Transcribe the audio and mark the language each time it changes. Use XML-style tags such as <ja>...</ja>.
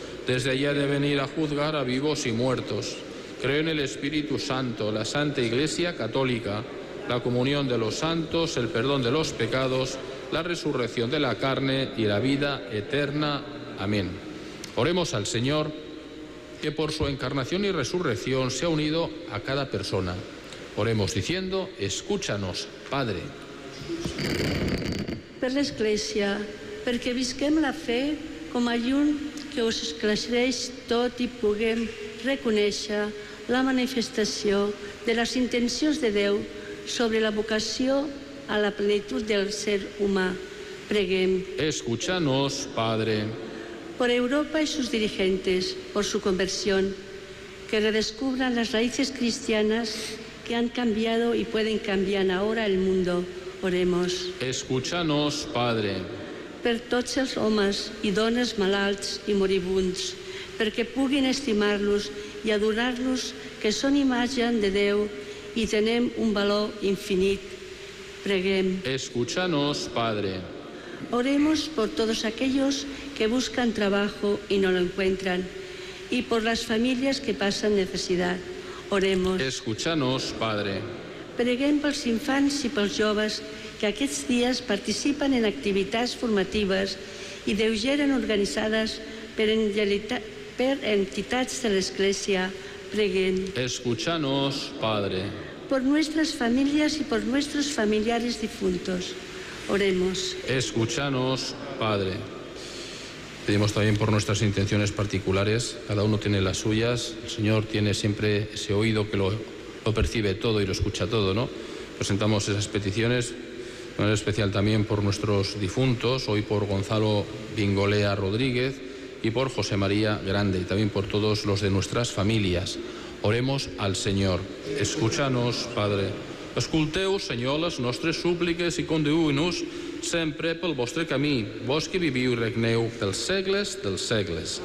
<es>Desde allí ha de venir a juzgar a vivos y muertos. Creo en el Espíritu Santo, la Santa Iglesia Católica, la comunión de los santos, el perdón de los pecados, la resurrección de la carne y la vida eterna. Amén. Oremos al Señor, que por su encarnación y resurrección se ha unido a cada persona. Oremos diciendo, escúchanos, Padre.</es> <ca>Per l'Església, perquè visquem la fe com a llum que us esclareix tot i puguem reconèixer la manifestació de les intencions de Déu sobre la vocació a la plenitud del ser humà. Preguem.</ca> <es>Escúchanos, Padre. Por Europa y sus dirigentes, por su conversión, que redescubran las raíces cristianas que han cambiado y pueden cambiar ahora el mundo. Oremos. Escúchanos, Padre.</es> <ca>Per tots els homes i dones malalts i moribunds, perquè puguin estimar-los i adorar-los, que són imatge de Déu i tenem un valor infinit. Preguem.</ca> <es>Escúchanos, Padre. Oremos por todos aquellos que buscan trabajo y no lo encuentran, y por las familias que pasan necesidad. Oremos. Escúchanos, Padre.</es> <ca>Preguem pels infants i pels joves que aquests dies participen en activitats formatives i deugeren organitzades per entitats de l'Església. Preguem.</ca> <es>Escúchanos, Padre. Por nuestras familias y por nuestros familiares difuntos. Oremos. Escúchanos, Padre. Pedimos también por nuestras intenciones particulares. Cada uno tiene las suyas. El Señor tiene siempre ese oído que lo percibe todo y lo escucha todo, ¿no? Presentamos esas peticiones, de manera especial también por nuestros difuntos, hoy por Gonzalo Bingolea Rodríguez y por José María Grande, y también por todos los de nuestras familias. Oremos al Señor. Escúchanos, Padre.</es> <ca>Escolteu, Senyor, les nostres súpliques i conduïu-nos sempre pel vostre camí, vos que viviu i regneu dels segles dels segles.</ca>